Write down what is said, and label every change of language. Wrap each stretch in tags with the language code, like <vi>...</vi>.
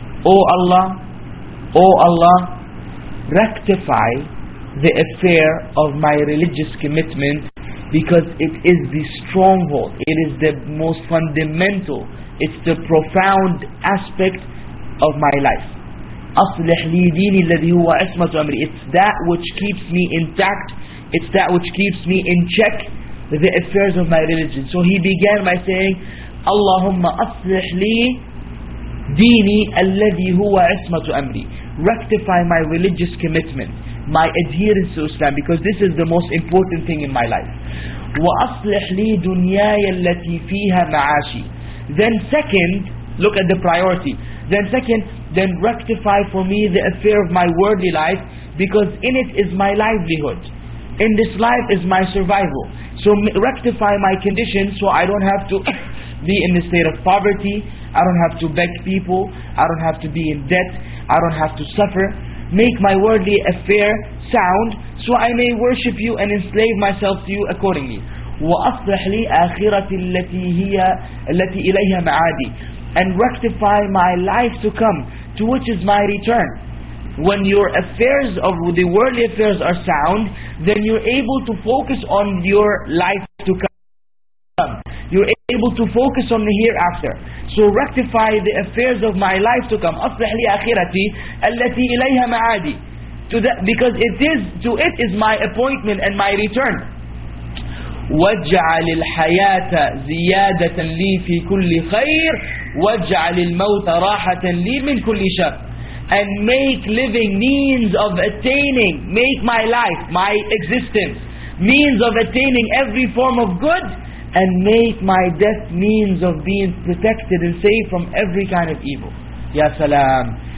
<en>Oh Allah, rectify the affair of my religious commitment, because it is the stronghold, it is the most fundamental, it's the profound aspect of my life.</en> <ar>أَصْلِحْ لِي دِينِ الَّذِي هُوَ عِصْمَةُ أَمْرِي.</ar> <en>It's that which keeps me intact, it's that which keeps me in check, the affairs of my religion. So he began by saying, اللهم أصلح لي ديني الذي هو عصمة أمري. Rectify my religious commitment, my adherence to Islam, because this is the most important thing in my life.</en> <ar>وَأَصْلِحْ لِي دُنْيَايَ الَّتِي فِيهَا مَعَاشِي.</ar> <en>Then second, look at the priority. Then rectify for me the affair of my worldly life, because in it is my livelihood. In this life is my survival. So rectify my condition so I don't have to be in the state of poverty. I don't have to beg people. I don't have to be in debt. I don't have to suffer. Make my worldly affair sound so I may worship you and enslave myself to you accordingly. وَأَصْلِحْ لِي آخِرَةِ الَّتِي إِلَيْهَا مَعَادِي. And rectify my life to come, to which is my return. when your affairs of the worldly affairs are sound, then you're able to focus on your life to come. You're able to focus on the hereafter. So rectify the affairs of my life to come.</en> <ar>أصلح لي آخرتي التي إليها معادي.</ar> <en>To that, because it is to it is my appointment and my return.</en> <ar>وَاجْعَلِ الْحَيَاةَ زِيَادَةً لِي فِي كُلِّ خَيْرٍ وَاجْعَلِ الْمَوْتَ رَاحَةً لِي مِنْ كُلِّ شَرٍ.</ar> <en>And make living means of attaining, make my life, my existence, means of attaining every form of good, and make my death means of being protected and safe from every kind of evil. Ya Salaam.</en>